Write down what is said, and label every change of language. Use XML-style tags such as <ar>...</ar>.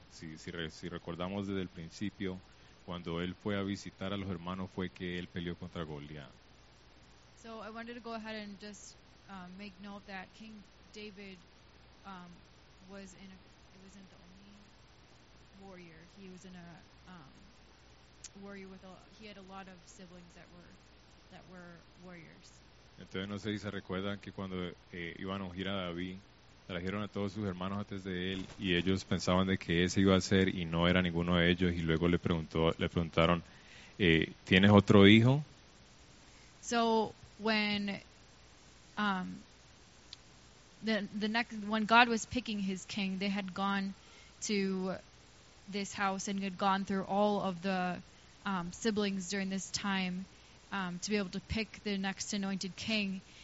<es>Si recordamos desde el principio, cuando él fue a visitar a los hermanos fue que él peleó contra Goliat.</es> <en>So I wanted to go ahead and just make note that King David wasn't the only warrior. He was in a warrior with a, he had a lot of siblings that were warriors.</en> <es>Entonces no sé si se recuerdan que cuando iban a ungir a David, trajeron a todos sus hermanos antes de él y ellos pensaban de que ese iba a ser y no era ninguno de ellos y luego le preguntaron, ¿tienes otro hijo?</es> <en>So when the next when God was picking his king, they had gone to this house and had gone through all of the siblings during this time to be able to pick the next anointed king.</en>